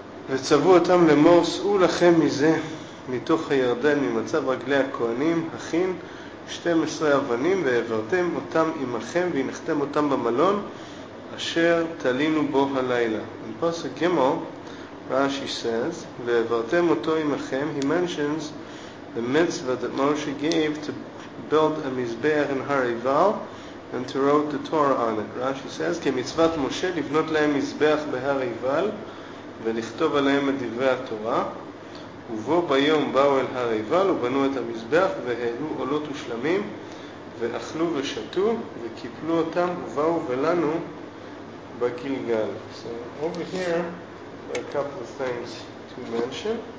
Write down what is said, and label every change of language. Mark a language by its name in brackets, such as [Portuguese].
[Hebrew] וצבו אותם למור, סעו לכם מזה, מתוך הירדן, ממצב רגלי הכהנים, הכין 12 אבנים, והעברתם אותם עמכם, והנחתם אותם במלון, אשר תלינו בו הלילה. [English] In Pasuk Gimel, Rashi says, [Hebrew] והעברתם אותו עמכם, [English] he mentions the mitzvah that Moshe gave to build a mizbeach in Har Ebal, and to wrote the Torah on it. Rashi says, [Hebrew] כמצוות משה לבנות להם מזבח בהר עיבל, ולכתוב עליהם את דברי התורה, ובו ביום באו אל הר עיבל ובנו את המזבח, והעלו עולות ושלמים, ואכלו ושתו, וקיפלו אותם, ובאו ולנו בגלגל. [English] So over here, a couple of things to mention.